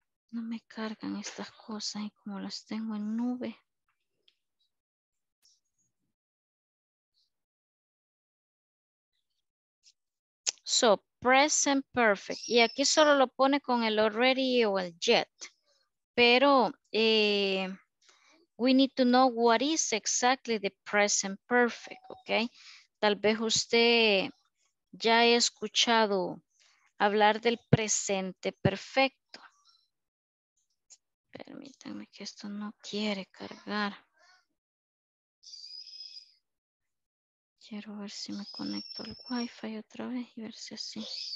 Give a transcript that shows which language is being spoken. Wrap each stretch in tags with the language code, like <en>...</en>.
<es>No me cargan estas cosas y como las tengo en nube.</es> <en>So, present perfect.</en> <es>Y aquí solo lo pone con el already o el yet.</es> <en>Pero we need to know what is exactly the present perfect, okay?</en> <es>Tal vez usted ya ha escuchado hablar del presente perfecto. Permítanme que esto no quiere cargar. Quiero ver si me conecto al Wi-Fi otra vez y ver si así.</es>